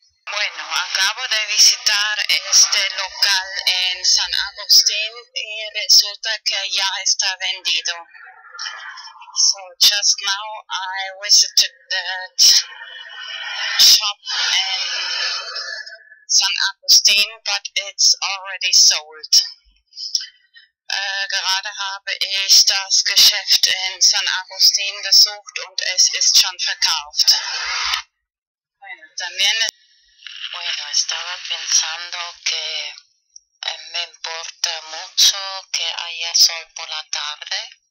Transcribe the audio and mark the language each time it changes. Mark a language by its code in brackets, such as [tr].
[es] Bueno, acabo de visitar este local en San Agustín y resulta que ya está vendido. [en] So just now I visited that shop in San Agustín, but it's already sold. [de] Gerade habe ich das Geschäft in San Agustín besucht und es ist schon verkauft. [es] Bueno, estaba pensando que me importa mucho que haya sol por la tarde.